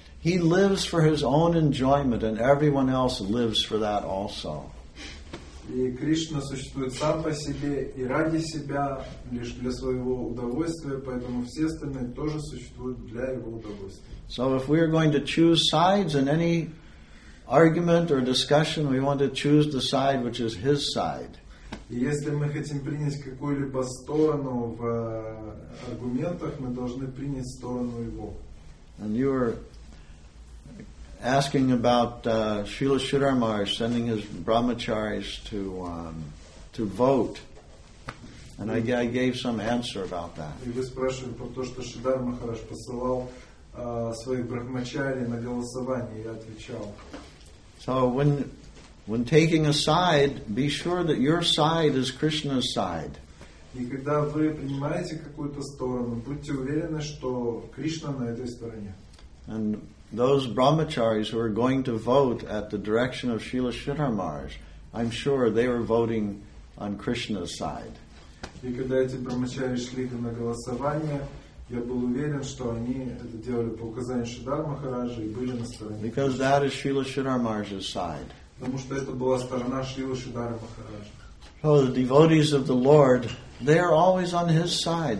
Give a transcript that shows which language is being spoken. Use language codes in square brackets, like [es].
[en] He lives for his own enjoyment and everyone else lives for that also. [ru] И Кришна существует сам по себе и ради себя, лишь для своего удовольствия, поэтому все остальные тоже существуют для его удовольствия. [en] So if we are going to choose sides in any argument or discussion, we want to choose the side which is his side. [ru] И если мы хотим принять какую-либо сторону в аргументах, мы должны принять сторону его. [en] And you are asking about Srila Sridhar Maharaj sending his brahmacharis to vote. And I gave some answer about that. [ru] И вы спрашиваете про то, что Шридхар Махарадж посылал своих брахмачари на голосование, я отвечал. [en] So when taking a side, be sure that your side is Krishna's side. [ru] И когда вы принимаете какую-то сторону, будьте уверены, что Кришна на этой стороне. [en] And those brahmacharis who are going to vote at the direction of Srila Sridhar Maharaj, I'm sure they were voting on Krishna's side. [ru] И когда эти брахмачари шли на голосование, я был уверен, что они это делали по указанию Шридхар Махараджа и были на стороне. [en] Because that is Srila Sridhar Maharaj's side. [ru] Потому что это была сторона Шрилы Шридхара Махараджа. [en] So the devotees of the Lord, they are always on his side.